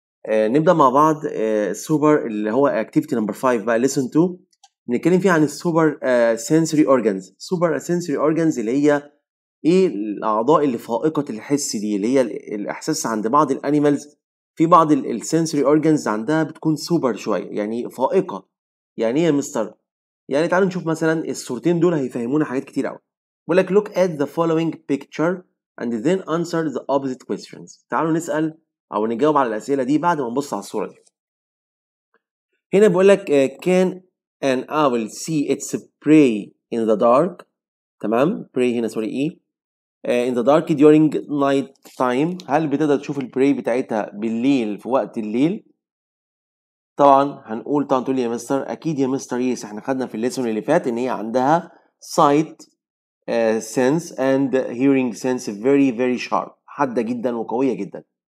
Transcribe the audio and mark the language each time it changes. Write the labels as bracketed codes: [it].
[ar] نبدا مع بعض السوبر اللي هو اكتيفيتي نمبر 5 بقى ليسون 2، نتكلم فيه عن السوبر سنسوري اورجانز. سوبر سنسوري اورجانز اللي هي ايه؟ الاعضاء اللي فائقه الحس دي، اللي هي الاحساس عند بعض الانيمالز. في بعض السنسوري اورجانز عندها بتكون سوبر شويه، يعني فائقه. يعني ايه يا مستر؟ يعني تعالوا نشوف مثلا الصورتين دول هيفهمونا حاجات كتير قوي. بقول لك [en] look at the following picture and then answer the opposite questions. [ar] تعالوا نسال او نجاوب على الاسئله دي بعد ما نبص على الصوره دي. هنا بيقول لك [en] can an owl see its prey in the dark؟ [ar] تمام، prey هنا سوري ايه؟ [en] in the dark during night time. [ar] هل بتقدر تشوف البري بتاعتها بالليل في وقت الليل؟ طبعا هنقول، طبعا تقول لي يا مستر اكيد يا مستر يس، احنا خدنا في الليسون اللي فات ان هي عندها [en] sight sense and hearing sense very very sharp، [ar] حاده جدا وقويه جدا.